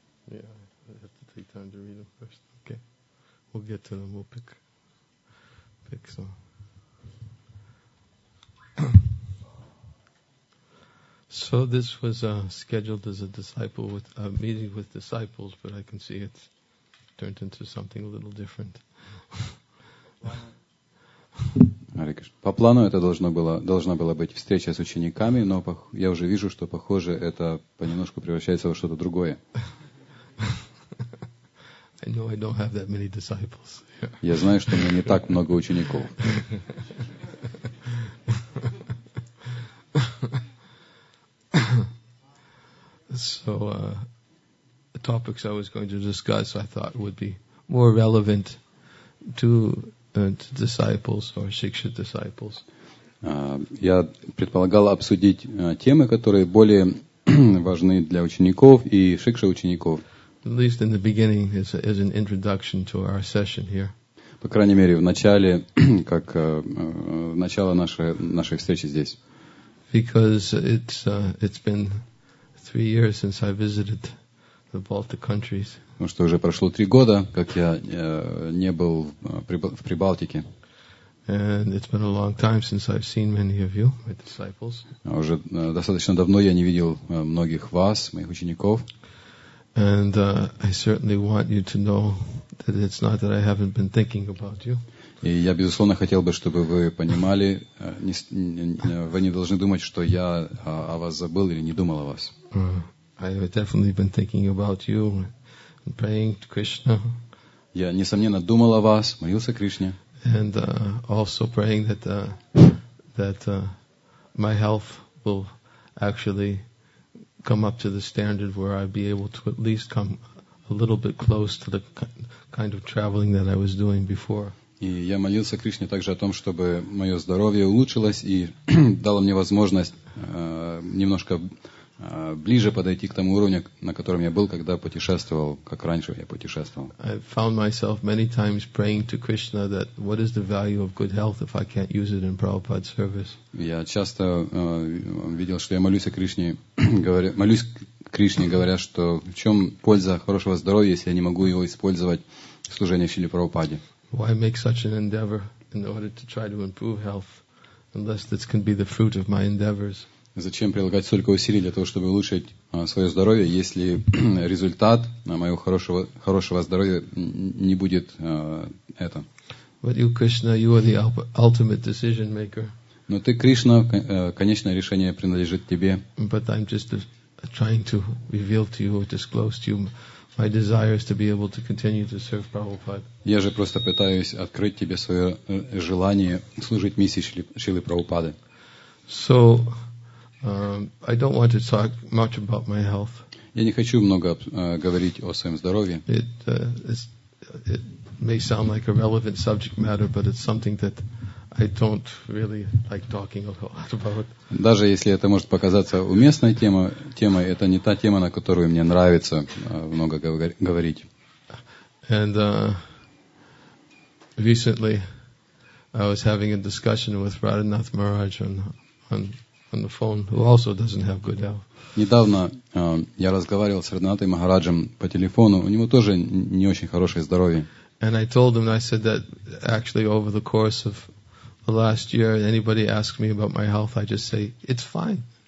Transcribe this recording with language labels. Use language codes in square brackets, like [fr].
[en] Yeah, I have to take time to read them first. Okay, we'll get to them. We'll pick some. So this was scheduled as a disciple with a meeting with disciples, but I can see it's turned into something a little different. [ru] По плану это должна была быть встреча с учениками, но я уже вижу, что похоже это понемножку превращается во что-то другое. [en] I know I don't have that many disciples. [ru] Я знаю, что у меня не так много учеников. [en] So the topics I was going to discuss, I thought would be more relevant to disciples or shiksha disciples. [ru] Я предполагал обсудить темы, которые более важны для учеников и шикша учеников. [en] At least in the beginning, as an introduction to our session here. [ru] По крайней мере, в начале, как начало нашей встречи здесь. [en] Because it's been 3 years since I visited the Baltic countries. [ru] Потому что уже прошло 3 года, как я не был в Прибалтике. [en] And it's been a long time since I've seen many of you, my disciples. [ru] Уже достаточно давно я не видел многих вас, моих учеников. [en] And I certainly want you to know that it's not that I haven't been thinking about you. [ru] И я безусловно хотел бы, чтобы вы понимали, вы не должны думать, что я о вас забыл или не думал о вас. [en] I have definitely been thinking about you and praying to Krishna. [ru] Я несомненно думал о вас, молился Кришне. [en] And also praying that my health will actually come up to the standard where I'd be able to at least come a little bit close to the kind of traveling that I was doing before. [ru] И я молился Кришне также о том, чтобы мое здоровье улучшилось и дало мне возможность немножко ближе подойти к тому уровню, на котором я был, когда путешествовал, как раньше я путешествовал. [en] I found myself many times praying to Krishna that what is the value of good health if I can't use it in Prabhupada's service. [ru] Я часто видел, что я молюсь Кришне, говоря, что в чем польза хорошего здоровья, если я не могу его использовать в служении Шриле Прабхупаде. [en] Why make such an endeavor in order to try to improve health unless this can be the fruit of my endeavors? [ru] Зачем прилагать столько усилий для того, чтобы улучшить свое здоровье, если результат моего хорошего здоровья не будет это? [en] But you, Krishna, you are the ultimate decision maker. [ru] Но ты, Кришна, конечное решение принадлежит тебе. [en] But I'm just trying to reveal to you or disclose to you my desire is to be able to continue to serve Prabhupada. [ru] Я же просто пытаюсь открыть тебе свое желание служить миссии Шрилы Прабхупады. [en] So I don't want to talk much about my health. [ru] Я не хочу много говорить о своем здоровье. [en] It may sound like a relevant subject matter, but it's something that I don't really like talking a lot about. [ru] Даже если это может показаться уместной темой, это не та тема, на которую мне нравится много говорить. [en] And recently I was having a discussion with Radhanath Maharaj on the phone, who also doesn't have good health. [ru] Недавно я разговаривал с Радханатой Махараджем по телефону. У него тоже не очень хорошее здоровье. [en] And I told him, I said that actually over the course of the last year, anybody asks me about my health, I just say, it's fine.